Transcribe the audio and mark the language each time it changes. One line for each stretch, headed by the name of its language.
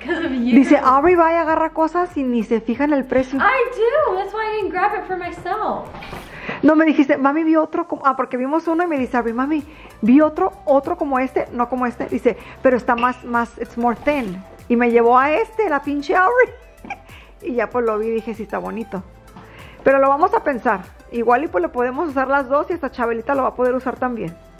Spanish: Dice, Aubrey va y agarra cosas y ni se fija en el precio.
English: I do, that's why I didn't grab it for myself.
Spanish: No, me dijiste, mami, vi otro como... Ah, porque vimos uno y me dice, Aubrey, mami, vi otro como este, no como este. Dice, pero está más,
English: it's more thin.
Spanish: Y me llevó a este, la pinche Aubrey. Y ya pues lo vi y dije, sí, está bonito. Pero lo vamos a pensar. Igual y pues le podemos usar las dos y esta Chabelita lo va a poder usar también.